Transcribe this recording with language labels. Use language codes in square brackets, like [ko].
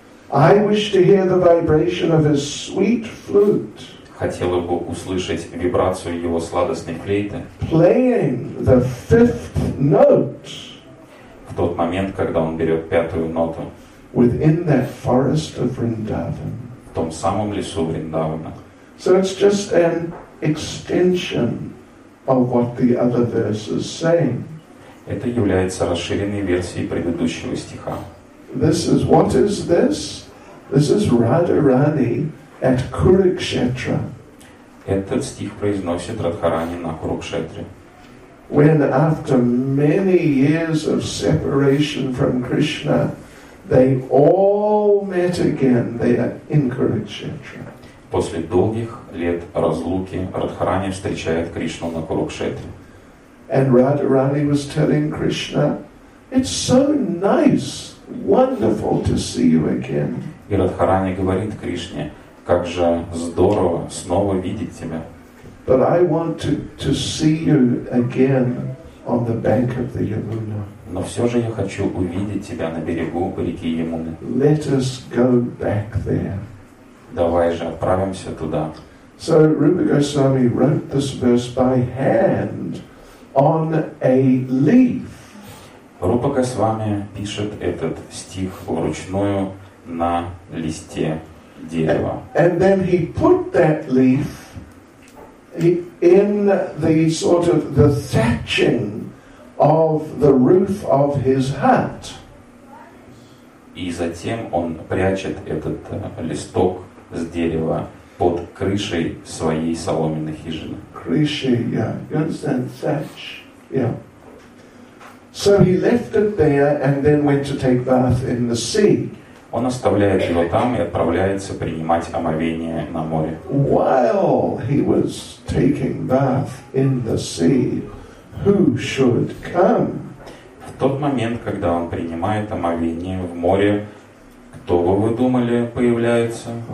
[en] I wish to hear the vibration of his sweet flute. [ru] хотела бы услышать вибрацию его сладостной флейты. [en] Playing the fifth note. [ru] В тот момент, когда он берет пятую ноту. [en] Within that forest of Vrindavan. [ru] В том самом лесу Вриндавана. [en] So it's just an extension of what the other verse is saying. [ru] Это является расширенной версией предыдущего стиха. [en] This is what is this? This is Radharani at Kurukshetra. [ru] Этот стих произносит Радхарани на Курукшетре. [en] When after many years of separation from Krishna, they all met again there in Kurukshetra. [ru] После долгих лет разлуки Радхарани встречает Кришну на Курукшетре. [en] And Radharani was telling Krishna, "It's so nice, wonderful to see you again." [ru] И Радхарани говорит Кришне, как же здорово снова видеть тебя. [en] But I want to see you again on the bank of the Yamuna. [ru] Но все же я хочу увидеть тебя на берегу реки Ямуны. [en] Let us go back there. [ru] Давай же отправимся туда. [en] So Rupa Goswami wrote this verse by hand on a leaf. [ru] Рупа Госвами пишет этот стих вручную на листе дерева. [en] And then he put that leaf in the sort of the thatching of the roof of his hut. [ru] И затем он прячет этот листок с дерева под крышей своей соломенной хижины. Крыши, [en] yeah. You understand? Thatch, yeah. So he left it there and then went to take bath in the sea. [ru] Он оставляет его там и отправляется принимать омовение на море. [en] While he was taking bath in the sea, who should come? [ru] В тот момент, когда он принимает омовение в море, кто бы вы думали, появляется?